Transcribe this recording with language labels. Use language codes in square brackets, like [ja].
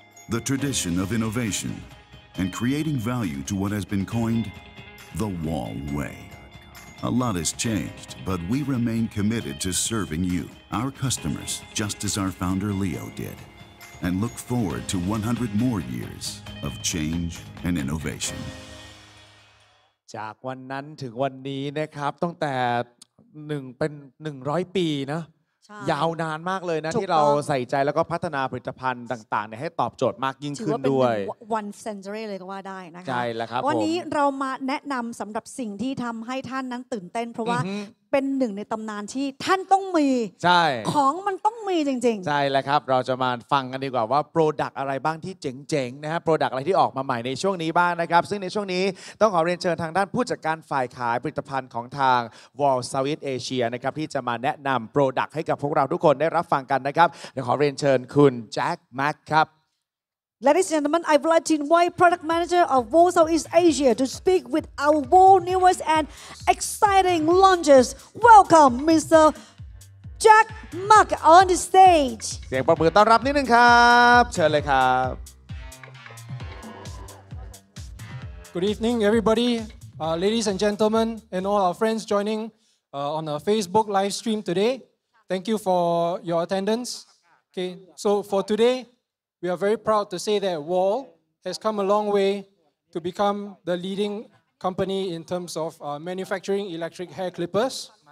[en] The tradition of innovation and creating value to what has been coined the Wall Way. A lot has changed, but we remain committed to serving you, our customers, just as our founder Leo did. And look forward to 100 more years of change and innovation. [th] จากวันนั้นถึงวันนี้นะครับตั้งแต่1เป็น100ปีนะยาวนานมากเลยนะที่เราใส่ใจแล้วก็พัฒนาผลิตภัณฑ์ต่างๆให้ตอบโจทย์มากยิ่งขึ้นด้วย ถือว่าเป็น [en] one century [th] เลยก็ว่าได้นะคะ ใช่แล้วครับ วันนี้เรามาแนะนำสำหรับสิ่งที่ทำให้ท่านนั้นตื่นเต้นเพราะว่าเป็นหนึ่งในตำนานที่ท่านต้องมี ใช่ ของมันต้องมีจริง ๆใช่แล้วครับเราจะมาฟังกันดีกว่าว่าโปรดักต์อะไรบ้างที่เจ๋งๆนะฮะโปรดักต์อะไรที่ออกมาใหม่ในช่วงนี้บ้างนะครับซึ่งในช่วงนี้ต้องขอเรียนเชิญทางด้านผู้จัดการฝ่ายขายผลิตภัณฑ์ของทาง Wall Service Asia นะครับที่จะมาแนะนำโปรดักต์ให้กับพวกเราทุกคนได้รับฟังกันนะครับเดี๋ยวขอเรียนเชิญคุณแจ็คแม็กครับ [en] Ladies and gentlemen I would like to invite product manager of Wall Service Asia to speak with our Wall newest and exciting launches welcome Mr. Jack Mark on the stage [th] เสียงปรบมือต้อนรับนิดนึงครับเชิญเลยครับ [en] Good evening everybody ladies and gentlemen and all our friends joining on our Facebook live stream todayThank you for your attendance. Okay, so for today, we are very proud to say that Wall has come a long way to become the leading company in terms of manufacturing electric hair clippers.